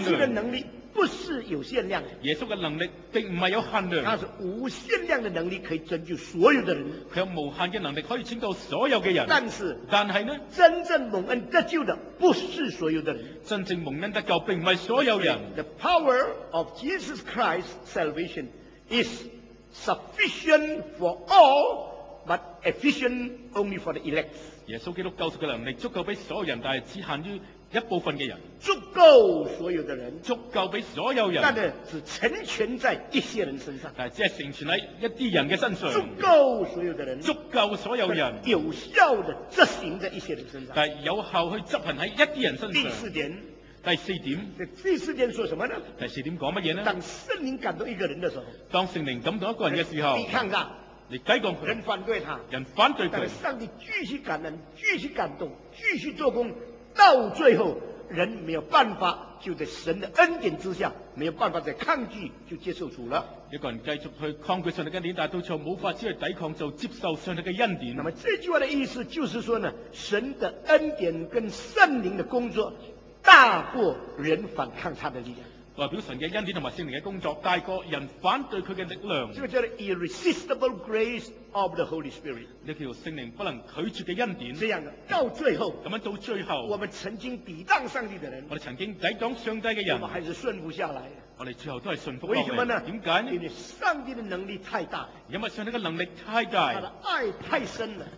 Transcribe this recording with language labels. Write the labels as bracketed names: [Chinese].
[Chinese] 耶稣的能力。不是有限量的，耶稣的能力并不是有限量，他是无限量的能力，可以拯救所有的人，他有无限的能力可以拯救所有的人。但是，但是呢，真正蒙恩得救的不是所有的人，真正蒙恩得救并不是所有人。 [English] The power of Jesus Christ's salvation is sufficient for all but efficient only for the elect。 [Chinese] 耶稣基督救赎的能力足够给所有人，但是只限于一部分的人，足够所有的人，足够给所有人，但是只成全在一些人身上，但是只成全在一些人的身上，足够所有的人，足够所有人，有效的执行在一些人身上，但是有效去执行在一些人身上。第四点，第四点，第四点说什么呢？第四点讲什么呢？当圣灵感动一个人的时候，当圣灵感动一个人的时候，你看看，你抵抗他，人反对他，人反对他，但是上帝继续感恩，继续感动，继续做工，到最后人没有办法，就在神的恩典之下没有办法再抗拒，就接受主了。一个人继续去抗拒上帝的恩典，但到最后无法只去抵抗，就接受上帝的恩典。那么这句话的意思就是说呢，神的恩典跟圣灵的工作大过人反抗他的力量。代表神的恩典和圣灵的工作，但是个人反对他的力量，这个叫做 irresistible grace of the Holy Spirit，这叫圣灵不能拒绝的恩典。这样到最后，这样到最后，我们曾经抵挡上帝的人，我们曾经抵挡上帝的人，我们还是顺服下来，我们最后都是顺服。为什么呢？为什么呢？因为上帝的能力太大，因为上帝的能力太大，他的爱太深了，